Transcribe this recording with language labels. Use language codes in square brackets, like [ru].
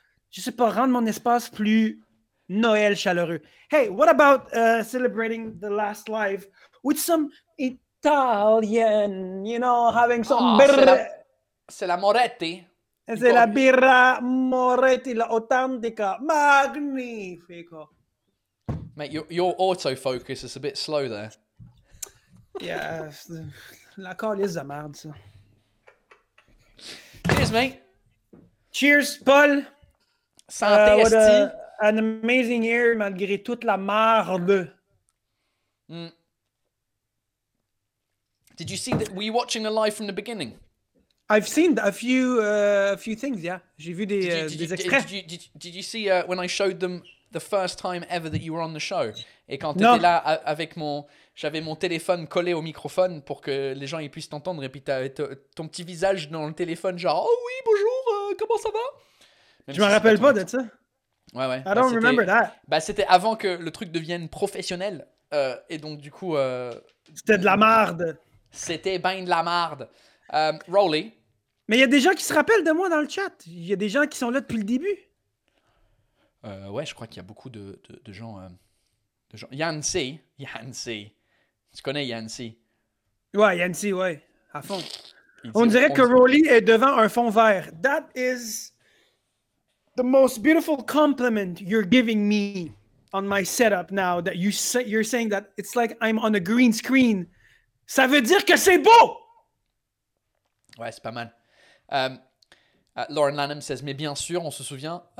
[fr] Je sais pas, rendre mon espace plus Noël chaleureux. [en] Hey, what about celebrating the last live with some Italian, you know, having some... [fr] C'est la Moretti. C'est la birra Moretti, la autantica. [it] Magnifico. [en] Mate, your autofocus is a bit slow there. [fr] Yeah, la colise de merde, ça. [en] Cheers, mate. Cheers, Paul. [fr] Santé, esti. [en] An amazing year, [fr] malgré toute la merde. [en] Did you see that? Were you watching the live from the beginning? I've seen a few things, yeah. [fr] J'ai vu des extraits. [en] Did you see when I showed them the first time ever that you were on the show? [fr] Et quand t'étais là avec mon... J'avais mon téléphone collé au microphone pour que les gens puissent t'entendre. Et puis t'as ton petit visage dans le téléphone, genre « Oh oui, bonjour, comment ça va ?» Je m'en rappelle pas de ça. Ouais, ouais. [en] I don't remember that. [fr] Bah, c'était avant que le truc devienne professionnel. Et donc, du coup... C'était de la marde. C'était ben de la marde. Rolly. Mais il y a des gens qui se rappellent de moi dans le chat. Il y a des gens qui sont là depuis le début. Ouais, je crois qu'il y a beaucoup de gens. Yancy. Tu connais Yancy? Ouais, Yancy, ouais. À fond. On dirait que Rolly est devant un fond vert. [en] That is the most beautiful compliment you're giving me on my setup now. That you're saying that it's like I'm on a green screen. [fr] Ça veut dire que c'est beau! Ouais, c'est pas mal. Lauren Lanham [en] says, [fr] mais bien sûr, on se souvient.